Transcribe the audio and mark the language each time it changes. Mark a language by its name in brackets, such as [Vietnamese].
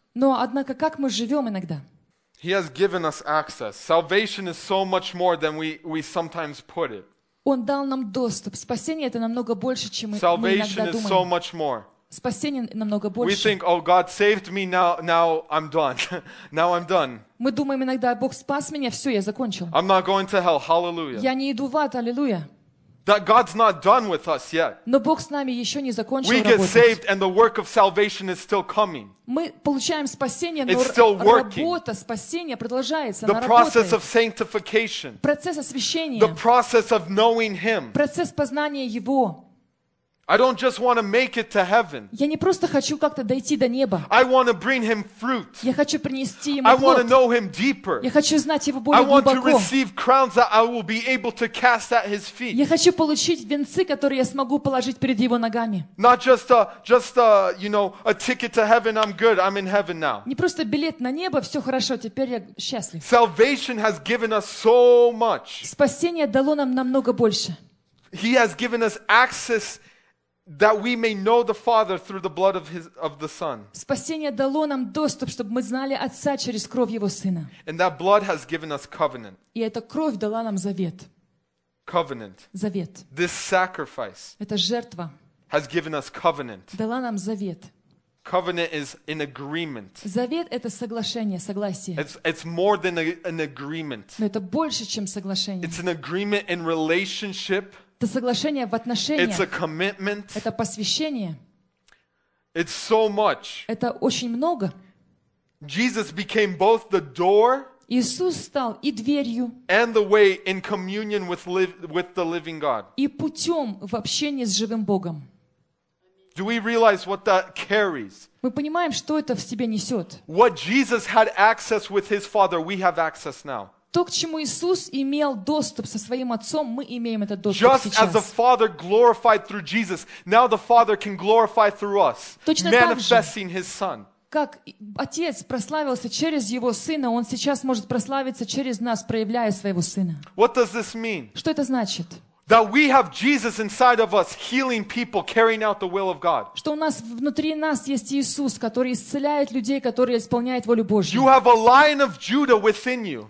[Russian] Но однако как мы живем иногда? [English] He has given us access. Salvation is so much more than we sometimes put it. [Russian] Он дал нам доступ. Спасение это намного больше, чем мы иногда думаем. [English] Salvation is so much more. [Russian] Спасение намного больше. [English] We think, oh, God saved me, now I'm done. Now I'm done. [Russian] Мы думаем иногда, Бог спас меня, все, я закончил. [English] I'm not going to hell. Hallelujah. [Russian] Я не иду в ад, аллилуйя. [English] That God's not done with us yet. [Russian] Но Бог с нами еще не закончил работать. [English] We get saved and the work of salvation is still coming. [Russian] Мы получаем спасение, [English] it's still working. [Russian] Работа спасения продолжается. [English] The process of sanctification. [Russian] Процесс освящения. [English] The process of knowing Him. [Russian] Процесс познания Его. [English] I don't just want to make it to heaven. [Russian] Я не просто хочу как-то дойти до неба. [English] I want to bring him fruit. [Russian] Я хочу принести ему плод. [English] I want to know him deeper. [Russian] Я хочу знать его более глубоко. [English] I want to receive crowns that I will be able to cast at his feet. [Russian] Я хочу получить венцы, которые я смогу положить перед его ногами. [English] Not just a you know, a ticket to heaven. I'm good. I'm in heaven now. [Russian] Не просто билет на небо, все хорошо, теперь я счастлив. [English] Salvation has given us so much. [Russian] Спасение дало нам намного больше. [English] He has given us access that we may know the Father through the blood of the Son. [Russian] Спасение дало нам доступ, чтобы мы знали Отца через кровь Его Сына. [English] And that blood has given us covenant. [Russian] И эта кровь дала нам завет. [English] Covenant. [Russian] Завет. [English] This sacrifice. [Russian] Эта жертва. [English] Has given us covenant. [Russian] Дала нам завет. [English] Covenant is an agreement. [Russian] Завет — это соглашение, согласие. [English] It's more than an agreement. [Russian] Но это больше, чем соглашение. [English] It's an agreement in relationship. [Russian] Это соглашение в отношениях. Это посвящение. [English] It's so much. [Russian] Это очень много. [English] Jesus became both the door. [Russian] Иисус стал и дверью. [English] And the way in communion with the living God. [Russian] И путем в общении с живым Богом. [English] Do we realize what that carries? [Russian] Мы понимаем, что это в себе несет. [English] What Jesus had access with his Father, we have access now. [Russian] То, к чему Иисус имел доступ со Своим Отцом, мы имеем этот доступ [English] Just [Russian] сейчас. [English] As the Father glorified through Jesus, now the Father can glorify through us, [Russian] Точно [English] manifesting [Russian] же, [English] His Son. [Russian] Как Отец прославился через Его Сына, Он сейчас может прославиться через нас, проявляя Своего Сына. [English] What does this mean? [Russian] Что это значит? [English] That we have Jesus inside of us, healing people, carrying out the will of God. [Russian] Что у нас внутри нас есть Иисус, который исцеляет людей, который исполняет волю Божью. [English] You have a lion of Judah within you.